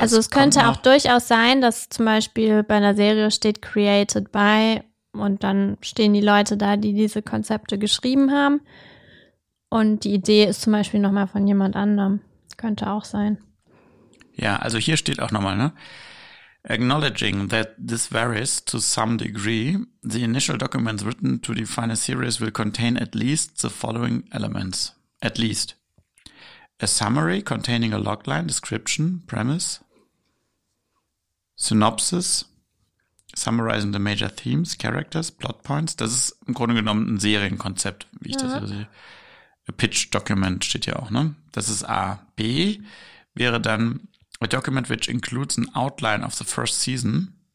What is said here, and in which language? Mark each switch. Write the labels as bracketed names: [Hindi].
[German] also es könnte auch durchaus sein, dass zum Beispiel bei einer Serie steht [English] Created By [German] Und dann stehen die Leute da, die diese Konzepte geschrieben haben. Und die Idee ist zum Beispiel nochmal von jemand anderem. Könnte auch sein. Ja, also hier steht auch nochmal, ne? [English] Acknowledging that this varies to some degree, the initial documents written to define a series will contain at least the following elements. At least. A summary containing a logline, description, premise, synopsis, summarizing the major themes, characters, plot points. [German] Das ist im Grunde genommen ein Serienkonzept, wie ich das sehe. [English] A pitch document [German] steht hier auch, ne? Das ist A. [English] B [German] wäre dann [English] a document which includes an outline of the first season.